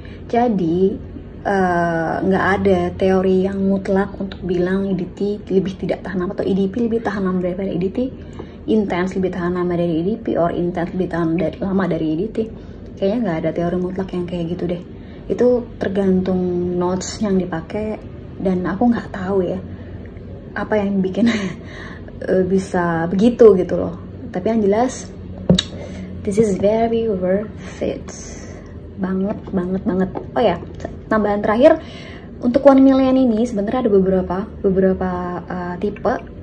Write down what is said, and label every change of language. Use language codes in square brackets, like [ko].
[id] Jadi nggak ada teori yang mutlak untuk bilang EDT lebih tidak tahan lama atau EDP lebih tahan lama daripada EDT, Intense lebih tahan lama dari EDP, or Intense lebih tahan lama dari EDT. Kayaknya nggak ada teori mutlak yang kayak gitu deh. Itu tergantung notes yang dipakai, dan aku nggak tahu ya apa yang bikin bisa begitu gitu loh. Tapi yang jelas, [en] this is very worth it. [id] Banget. Oh ya, tambahan terakhir, untuk 1 million ini sebenarnya ada beberapa tipe.